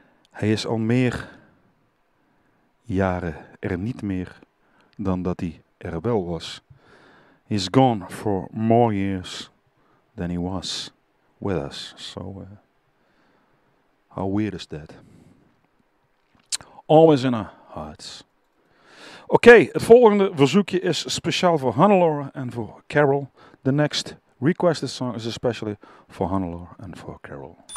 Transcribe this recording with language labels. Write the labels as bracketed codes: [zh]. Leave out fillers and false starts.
[nl] Hij is al meer jaren er niet meer dan dat hij er wel was. [en] He's gone for more years than he was with us. So, how weird is that? Always in our hearts. [nl] Okay, het volgende verzoekje is speciaal voor Hannelore en voor Carol. [en] The next request, this song is especially for Hannelore and for Carol.